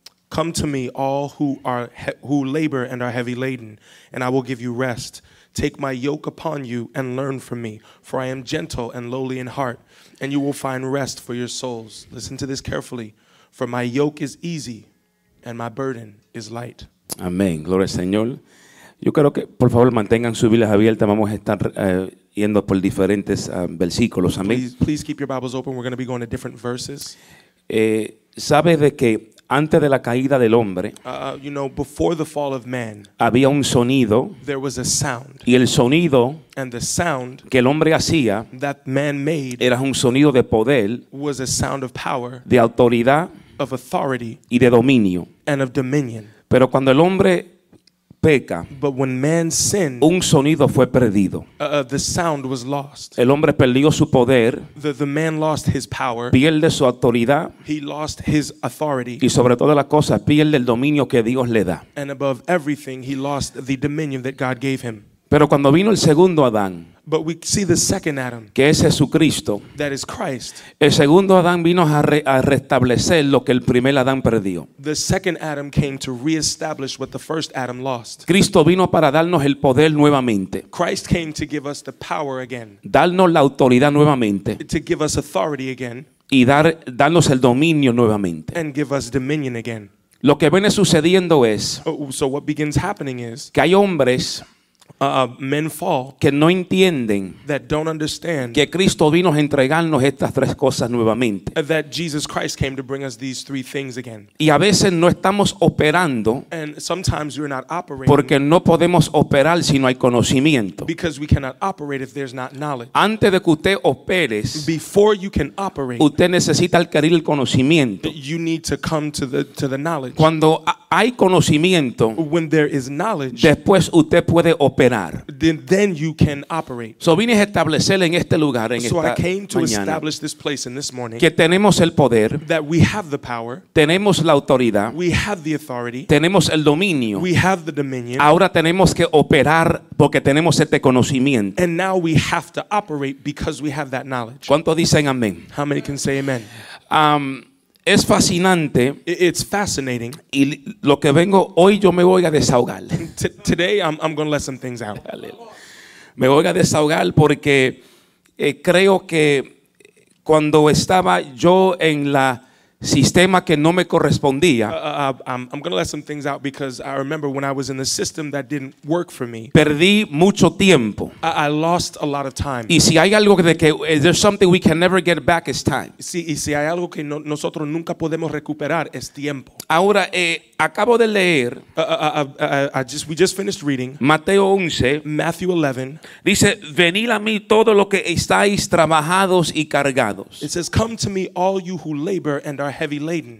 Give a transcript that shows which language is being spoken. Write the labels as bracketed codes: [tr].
[en] Come to me, all who labor and are heavy laden, and I will give you rest. Take my yoke upon you and learn from me, for I am gentle and lowly in heart, and you will find rest for your souls. Listen to this carefully, for my yoke is easy and my burden is light. [es] Amén. Gloria al Señor. Yo creo que, por favor, mantengan sus Biblias abiertas. Vamos a estar yendo por diferentes versículos. Amén. [en] Please keep your Bibles open. We're going to be going to different verses. [es] Sabe de que antes de la caída del hombre, [en] you know, before the fall of man, [es] había un sonido, [en] there was a sound, [es] y el sonido, [en] and the sound, [es] que el hombre hacía, [en] that man made, [es] era un sonido de poder, [en] was a sound of power, [es] de autoridad, [en] of authority, [es] y de dominio, [en] and of dominion. [es] Pero cuando el hombre peca, [en] but when man sinned, [es] un sonido fue perdido. [en] The sound was lost. [es] El hombre perdió su poder. [en] The man lost his power. [es] Pierde su autoridad. [en] He lost his authority. [es] Y sobre todas las cosas, pierde el dominio que Dios le da. [en] And above everything, he lost the dominion that God gave him. [es] Pero cuando vino el segundo Adán, [en] but we see the second Adam, [es] que es Jesucristo, [en] that is Christ. [es] El segundo Adán vino a restablecer lo que el primer Adán perdió. [en] The second Adam came to reestablish what the first Adam lost. [es] Cristo vino para darnos el poder nuevamente. [en] Christ came to give us the power again. [es] Darnos la autoridad nuevamente. [en] To give us authority again. [es] Y darnos el dominio nuevamente. [en] And give us dominion again. [es] Lo que viene sucediendo es, [en] so what begins happening is, [es] que hay hombres, [en] men fall, [es] que no entienden, [en] that don't understand, [es] que Cristo vino a entregarnos estas tres cosas nuevamente, [en] that Jesus Christ came to bring us these three things again. [es] Y a veces no estamos operando, [en] and sometimes we're not operating, [es] porque no podemos operar si no hay conocimiento, [en] because we cannot operate if there's not knowledge. [es] Antes de que usted operes, [en] before you can operate, [es] usted necesita adquirir el conocimiento. [en] You need to come to the knowledge. [es] Cuando hay conocimiento, [en] when there is knowledge, [es] después usted puede operar. [en] Then you can operate. [es] So vine a establecer en este lugar, en [en] so [es] esta [en] I came to [es] mañana, [en] establish this place in this morning, [es] que tenemos el poder, [en] that we have the power, [es] tenemos la autoridad, [en] we have the authority, [es] tenemos el dominio, [en] we have the dominion, [es] ahora tenemos que operar porque tenemos este conocimiento. [en] And now we have to operate because we have that knowledge. [es] ¿Cuánto dicen amén? [en] How many can say amen? [es] Es fascinante. [en] It's fascinating. [es] Y lo que vengo hoy, yo me voy a desahogar. [en] Today I'm going to let some things out. [es] Me voy a desahogar porque creo que cuando estaba yo en la sistema que no me correspondía, [en] I'm going to let some things out because I remember when I was in the system that didn't work for me. [es] Perdí mucho tiempo. [en] I lost a lot of time. [es] Y si hay algo de que [en] there's something we can never get back is time. [es] Sí, y si hay algo que no, nosotros nunca podemos recuperar es tiempo. Ahora acabo de leer. [en] We just finished reading. [es] Mateo 11. [en] Matthew 11. [es] Dice, venid a mí todo lo que estáis trabajados y cargados. [en] It says, come to me all you who labor and are heavy laden.